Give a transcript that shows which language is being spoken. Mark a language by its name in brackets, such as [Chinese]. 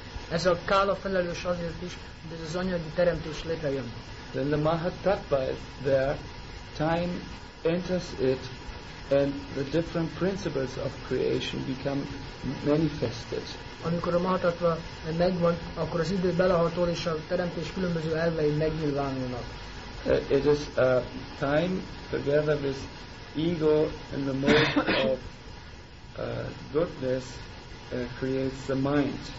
[Hungarian] Ez a kála felelős azért is, de ez az anyagi teremtés létrejön. [English] Then the Mahatattva is there, time enters it, and the different principles of creation become manifested. [Hungarian] Amikor a Mahatattva megvan, akkor az idő belehatol, és a teremtés különböző elvei megnyilvánulnak. [English] It is time together with ego and the mode of goodness creates the mind.